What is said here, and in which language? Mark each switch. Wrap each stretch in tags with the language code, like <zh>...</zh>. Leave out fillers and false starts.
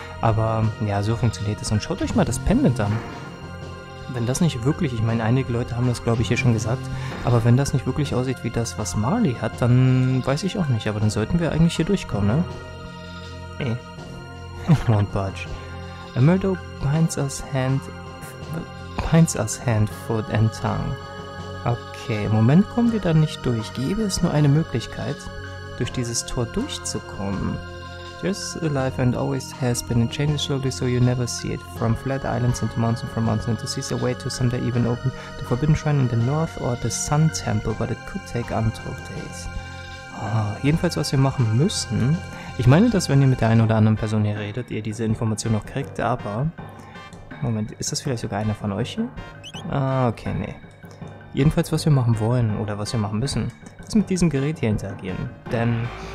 <de>Aber ja, so funktioniert es. Und schaut euch mal das Pendant an. Wenn das nicht wirklich, ich meine, einige Leute haben das, glaube ich, hier schon gesagt, aber wenn das nicht wirklich aussieht wie das, was Marley hat, dann weiß ich auch nicht, aber dann sollten wir eigentlich hier durchkommen, ne? Ey.</de> <en>Won't budge. Emerdo binds us hand, foot and tongue.</en> <de>Okay, im Moment kommen wir da nicht durch. Gäbe es nur eine Möglichkeit, durch dieses Tor durchzukommen?</de> <en>Just alive and always has been and changes slowly so you never see it. From flat islands into mountains, from mountains into seas, a way to someday even open the Forbidden Shrine in the North or the Sun Temple, but it could take untold days.</en> <de>Oh, jedenfalls, was wir machen müssen, ich meine, dass wenn ihr mit der einen oder anderen Person hier redet, ihr diese Information noch kriegt, aber... Moment, ist das vielleicht sogar einer von euch hier? Ah, okay, nee. Jedenfalls, was wir machen wollen oder was wir machen müssen, ist mit diesem Gerät hier interagieren, denn...</de>